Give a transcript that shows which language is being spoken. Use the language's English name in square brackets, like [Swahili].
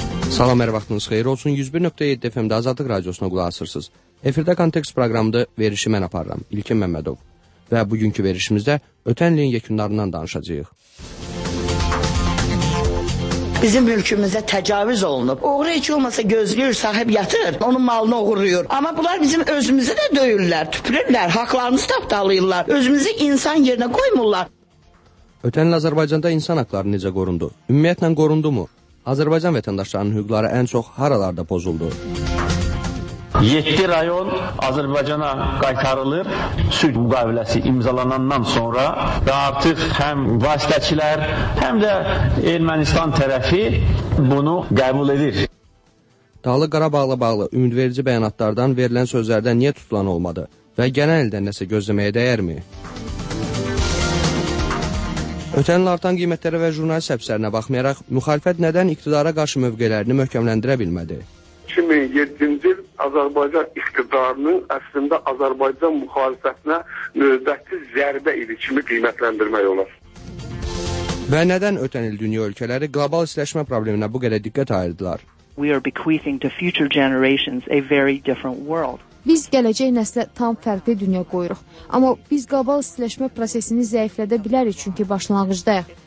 [Azerbaijani] Salam, hər vaxtınız xeyir olsun. 101.7 FM-də Azadlıq Radiosuna qulaq asırsınız. Efirdə Kontekst proqramında verişi mən aparıram, İlkin Məmmədov. Və bugünkü verişimizdə ötən ilin yekunlarından danışacağıq. Bizim ölkümüzdə təcavüz olunub. Oğru heç olmasa gözləyir, sahib yatır, onun malını oğuruyor. Amma bunlar bizim özümüzə də döyürlər, tüpürürlər, haqlarımızı tapdalayırlar. Özümüzü insan yerinə qoymurlar. Ötən il Azərbaycanda insan haqları necə qorundu? Ümumiyyətlə qorundu mu? Azərbaycan vətəndaşlarının hüquqları ən çox haralarda pozuldu? 7 rayon Azərbaycana qaytarılır. Sülh müqaviləsi imzalanandan sonra və artıq həm vasitəçilər, həm də Ermənistan tərəfi bunu qəbul edir. Dağlı Qarabağla bağlı ümidverici bəyanatlardan verilən sözlərdə niyə tutulan olmadı və gələn ildə nəsə gözləməyə dəyərmi? Ötən il artan qiymətlərə və jurnalist həbslərinə baxmayaraq, müxalifət nədən iqtidara qarşı mövqelərini möhkəmləndirə bilmədi? 2007-ci il Azərbaycan iqtidarının əslində Azərbaycan müxalifətinə növbəti zərbə ili kimi qiymətləndirmək olar. Və nədən ötən il dünya ölkələri qlobal istiləşmə probleminə bu qədər diqqət ayırdılar? [English] We are bequeathing to future generations a very different world. [Azerbaijani] Biz gələcək nəslə tam fərqli dünya qoyuruq. Amma biz qlobal istiləşmə prosesini zəiflədə bilərik, çünki başlanğıcdayıq.